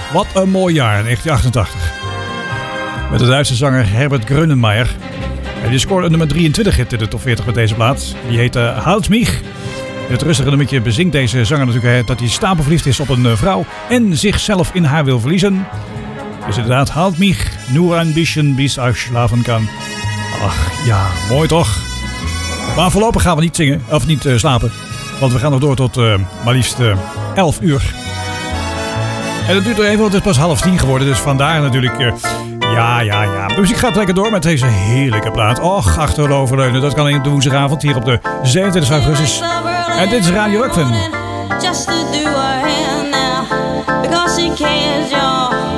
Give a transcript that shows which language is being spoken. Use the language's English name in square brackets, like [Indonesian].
[Dutch] Wat een mooi jaar, 1988. Met de Duitse zanger Herbert Grönemeyer. En die scoorde nummer 23 hit in de top 40 met deze plaat. Die heette Halt mich. Het rustige nummertje bezingt deze zanger natuurlijk, hè, dat hij stapelverliefd is op een vrouw en zichzelf in haar wil verliezen. Dus inderdaad, [German] Halt mich, nur ein bisschen bis ich schlafen kann. [Dutch] Ach ja, mooi toch? Maar voorlopig gaan we niet zingen, of niet slapen. Want we gaan nog door tot maar liefst 11 uur. En dat duurt er even, want het is pas 9:30 geworden. Dus vandaar natuurlijk, ja. De muziek gaat lekker door met deze heerlijke plaat. Och, achteroverleunen. Dat kan alleen op de woensdagavond hier op de 27 augustus. En dit is Radio Rukven. [English] Just to do our hand now, because she cares, y'all.